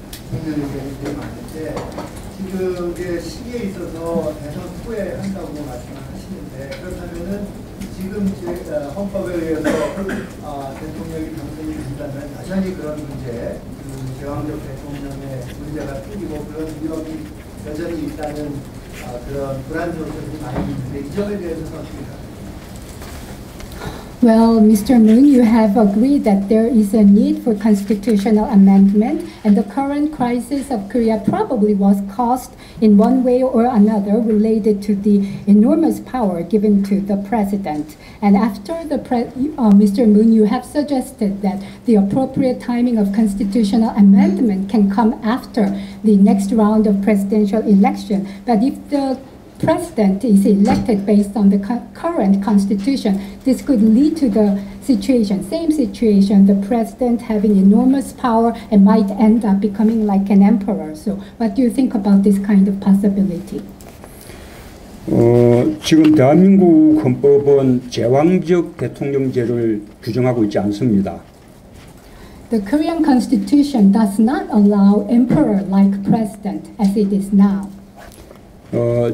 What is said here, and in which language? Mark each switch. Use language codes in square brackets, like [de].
[ko] 국민의 의견이 되게 많은데 지금 이게 시기에 있어서 대선 후에 한다고 말씀하시는데 그렇다면은 지금 헌법에 의해서 대통령이 당선이 된다면 여전히 그런 문제 제왕적 대통령의 문제가 생기고 그런 위협이 여전히 있다는 그런 불안 조건이 많이 있는데 이 점에 대해서는 어떻습니까? [en] Well, Mr. Moon, you have agreed that there is a need for constitutional amendment, and the current crisis of Korea probably was caused in one way or another related to the enormous power given to the president. And after the Mr. Moon, you have suggested that the appropriate timing of constitutional amendment can come after the next round of presidential election. But if the president is elected based on the current constitution, this could lead to the situation, same situation, the president having enormous power and might end up becoming like an emperor. So what do you think about this kind of possibility? [ko] 지금 대한민국 헌법은 제왕적 대통령제를 규정하고 있지 않습니다. [en] The Korean constitution does not allow emperor-like president as it is now.